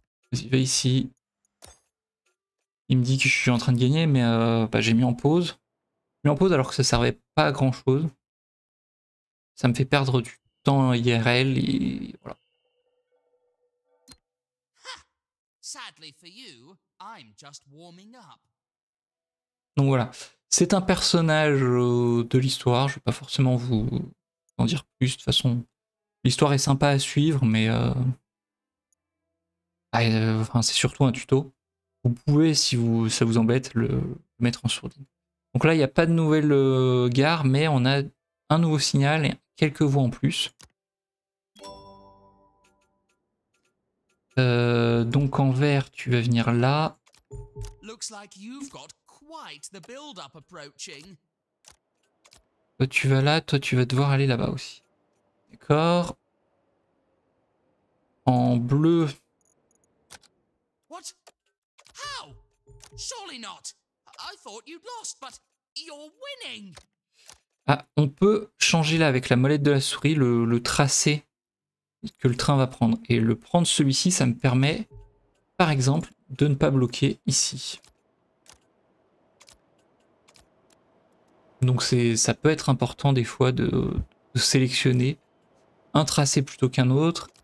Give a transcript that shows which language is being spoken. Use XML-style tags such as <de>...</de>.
<fr>Vas-y, va ici. Il me dit que je suis en train de gagner, mais bah, j'ai mis en pause. J'ai mis en pause alors que ça servait pas à grand chose. Ça me fait perdre du temps IRL et voilà.</fr> <en>Sadly for you, I'm just warming up.</en> <fr>Donc voilà, c'est un personnage de l'histoire, je vais pas forcément vous en dire plus, de toute façon, l'histoire est sympa à suivre, mais enfin, c'est surtout un tuto. Vous pouvez, si vous ça vous embête, le mettre en sourdine. Donc là, il n'y a pas de nouvelle gare, mais on a un nouveau signal et quelques voix en plus. Donc en vert, tu vas venir là.</fr> <en>Looks like you've got quite the build-up approaching.</en> <fr>Toi, tu vas là, toi, tu vas devoir aller là-bas aussi. D'accord. En bleu.</fr> <en>What? How? Surely not. I thought you'd lost, but you're winning.</en> <fr>Ah, on peut changer là avec la molette de la souris le tracé que le train va prendre. Et le prendre celui-ci, ça me permet, par exemple, de ne pas bloquer ici. Donc ça peut être important des fois de sélectionner un tracé plutôt qu'un autre.</fr>